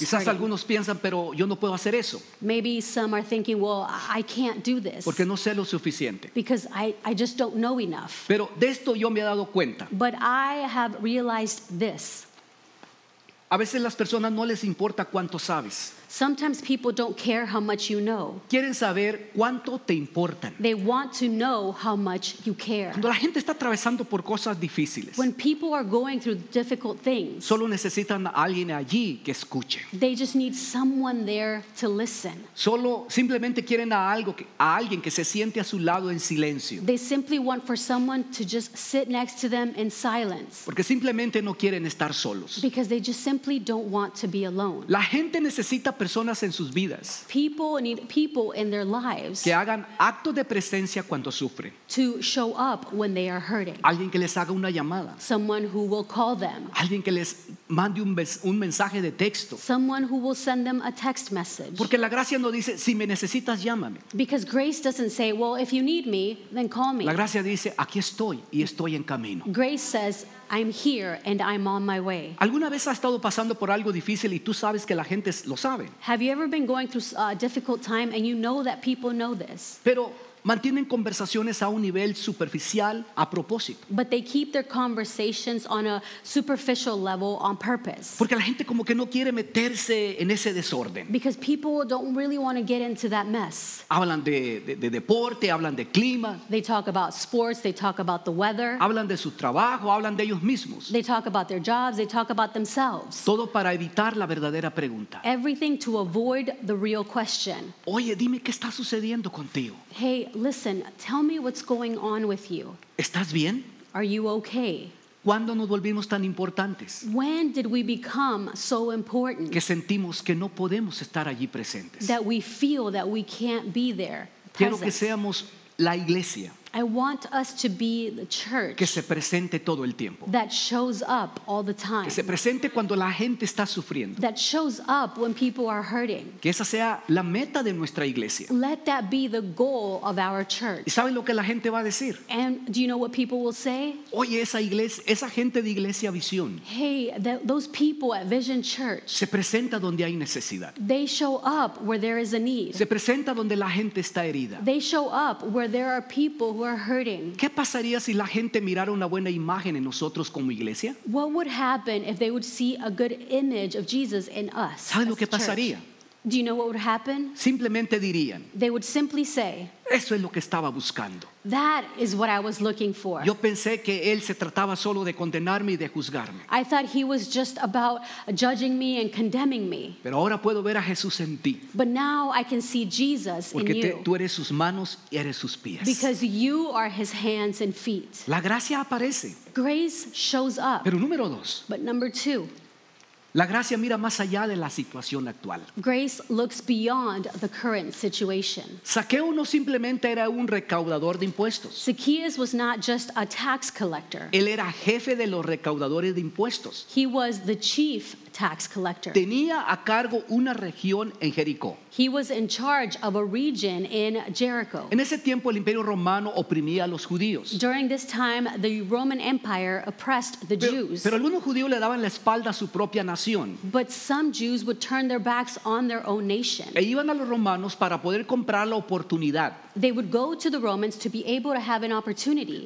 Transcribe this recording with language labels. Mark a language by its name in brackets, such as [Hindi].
[Spanish] quizás [English] hurting. [Spanish] Quizás algunos piensan, pero yo no puedo hacer eso. [English] Maybe some are thinking, well, I can't do this. [Spanish] Porque no sé lo suficiente. [English] Because I just don't know enough. [Spanish] Pero de esto yo me he dado cuenta. [English] But I have realized this. [Spanish] A veces las personas no les importa cuánto sabes. [English] Sometimes people don't care how much you know. [Spanish] Quieren saber cuánto te importan. [English] They want to know how much you care. [Spanish] Cuando la gente está atravesando por cosas difíciles. [English] When people are going through difficult things. [Spanish] Solo necesitan a alguien allí que escuche. [English] They just need someone there to listen. [Spanish] Solo simplemente quieren a alguien que se siente a su lado en silencio. [English] They simply want for someone to just sit next to them in silence. [Spanish] Porque simplemente no quieren estar solos. [English] Because they just simply don't want to be alone. [Spanish] La gente necesita personas en sus vidas. [English] People need people in their lives. [Spanish] Que hagan acto de presencia cuando sufren. [English] To show up when they are hurting. [Spanish] Alguien que les haga una llamada. [English] Someone who will call them. [Spanish] Alguien que les mande un mensaje de texto. [English] Someone who will send them a text message. [Spanish] Porque la gracia no dice, si me necesitas, llámame. [English] Because grace doesn't say, well, if you need me, then call me. [Spanish] La gracia dice, aquí estoy y estoy en camino. [English] Grace says, I'm here and I'm on my way. [Spanish] ¿Alguna vez has estado pasando por algo difícil y tú sabes que la gente lo sabe? [English] Have you ever been going through a difficult time and you know that people know this? [Spanish] Pero mantienen conversaciones a un nivel superficial a propósito. [English] But they keep their conversations on a superficial level on purpose. [Spanish] Porque la gente como que no quiere meterse en ese desorden. [English] Because people don't really want to get into that mess. [Spanish] Hablan de deporte, hablan de clima. [English] They talk about sports, they talk about the weather. [Spanish] Hablan de su trabajo, hablan de ellos mismos. [English] They talk about their jobs, they talk about themselves. [Spanish] Todo para evitar la verdadera pregunta. [English] Everything to avoid the real question. [Spanish] Oye, dime qué está sucediendo contigo. [English] Hey, listen, tell me what's going on with you. [Spanish] ¿Estás bien? [English] Are you okay? [Spanish] ¿Cuándo nos volvimos tan importantes? [English] When did we become so important? [Spanish] Que sentimos que no podemos estar allí presentes. [English] That we feel that we can't be there. [Spanish] Quiero que seamos la iglesia. [English] I want us to be the church [Spanish] que se presente todo el tiempo. [English] That shows up all the time. [Spanish] Que se presente cuando la gente está sufriendo. [English] That shows up when people are hurting. [Spanish] Que esa sea la meta de nuestra iglesia. [English] Let that be the goal of our church. [Spanish] ¿Y saben lo que la gente va a decir? [English] And do you know what people will say? [Spanish] Oye, esa iglesia, esa gente de Iglesia Visión. [English] Hey, those people at Vision Church. [Spanish] Se presenta donde hay necesidad. [English] They show up where there is a need. [Spanish] Se presenta donde la gente está herida. [English] They show up where there are people who are hurting. [Spanish] ¿Qué pasaría si la gente mirara una buena imagen en nosotros como iglesia? [English] What would happen if they would see a good image of Jesus in us? [Spanish] ¿Saben lo que pasaría? [English] Do you know what would happen? [Spanish] Simplemente dirían. [English] They would simply say. [Spanish] Eso es lo que estaba buscando. [English] That is what I was looking for. [Spanish] Yo pensé que él se trataba solo de condenarme y de juzgarme. [English] I thought he was just about judging me and condemning me. [Spanish] Pero ahora puedo ver a Jesús en ti. [English] But now I can see Jesus in you. [Spanish] Porque tú eres sus manos y eres sus pies. [English] Because you are his hands and feet. [Spanish] La gracia aparece. [English] Grace shows up. [Spanish] Pero número dos. [English] But number two. [Spanish] La gracia mira más allá de la situación actual. [English] Grace looks beyond the current situation. [Spanish] Zaqueo no simplemente era un recaudador de impuestos. [English] Zacchaeus was not just a tax collector. [Spanish] Él era jefe de los recaudadores de impuestos. [English] He was the chief tax collector. [Spanish] Tenía a cargo una región en Jericó. [English] He was in charge of a region in Jericho. [Spanish] En ese tiempo el Imperio Romano oprimía a los judíos. [English] During this time the Roman Empire oppressed the Jews. [Spanish] Pero algunos judíos le daban la espalda a su propia nación. [English] But some Jews would turn their backs on their own nation. [Spanish] E iban a los romanos para poder comprar la oportunidad. [English] They would go to the Romans to be able to have an opportunity